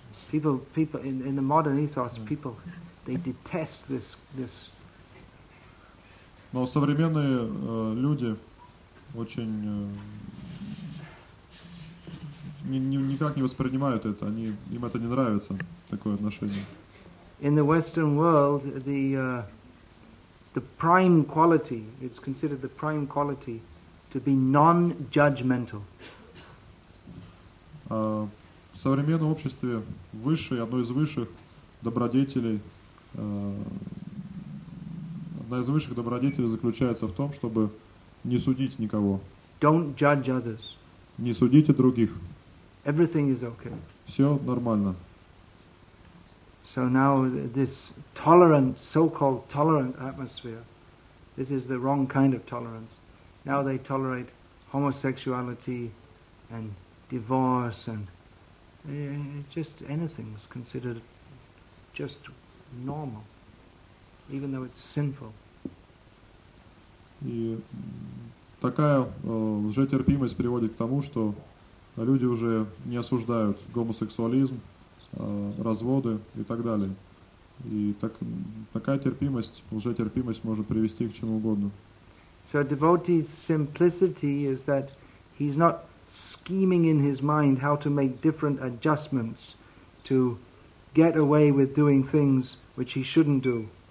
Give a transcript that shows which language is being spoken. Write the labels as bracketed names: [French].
[English] People in the modern ethos, people they detest this. [Russian] Но современные люди очень никак не воспринимают это, они им это не нравится такое отношение. [English] In the Western world, the prime quality, it's considered the prime quality to be non-judgmental. [Russian] В современном обществе высшей, одной из высших добродетелей одна из высших добродетелей заключается в том, чтобы не судить никого. [English] Don't judge others. [Russian] Не судите других. [English] Everything is okay. [Russian] Все нормально. [English] So now this tolerant, so-called tolerant atmosphere, this is the wrong kind of tolerance. Now they tolerate homosexuality and divorce and just anything is considered just normal, even though it's sinful. [Russian] И такая лжетерпимость приводит к тому, что люди уже не осуждают гомосексуализм, разводы и так далее. И такая терпимость, лжетерпимость может привести к чему угодно. [English] So a devotee's simplicity is that he's not scheming in his mind how to make different adjustments to get away with doing things which he shouldn't do.